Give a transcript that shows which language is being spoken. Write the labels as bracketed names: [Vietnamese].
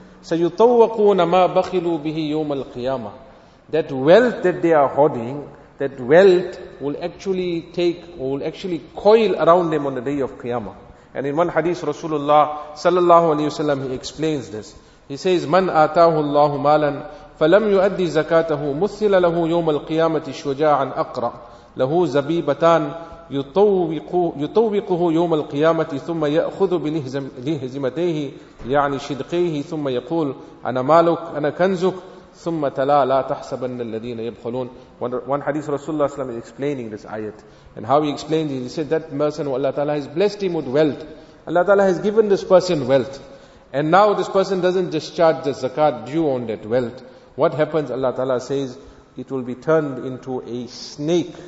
[Arabic] سَيُطَوَّقُونَ مَا بَخِلُوا بِهِ يَوْمَ الْقِيَامَةِ. [English] That wealth that they are hoarding, that wealth will actually take, will actually coil around them on the day of Qiyamah. And in one hadith, Rasulullah sallallahu alayhi wa sallam, he explains this. He says, [Arabic] مَنْ آتَاهُ اللَّهُ مَالًا فلم يؤدي زكاته مثل له يوم القيامة شجاعا أقرأ له زبيبتان يطوقه يوم القيامة ثم يأخذ بلهزمتيه يعني شدقيه ثم يقول أنا مالك أنا كنزك ثم تلا لا تحسبن الذين يبخلون. [English] One hadith Rasulullah صلى الله عليه وسلم explaining this ayat, and how he explained it, he said that person, Allah Ta'ala has blessed him with wealth, Allah Ta'ala has given this person wealth, and now this person doesn't discharge the zakat due on that wealth. What happens? Allah Ta'ala says it will be turned into a snake.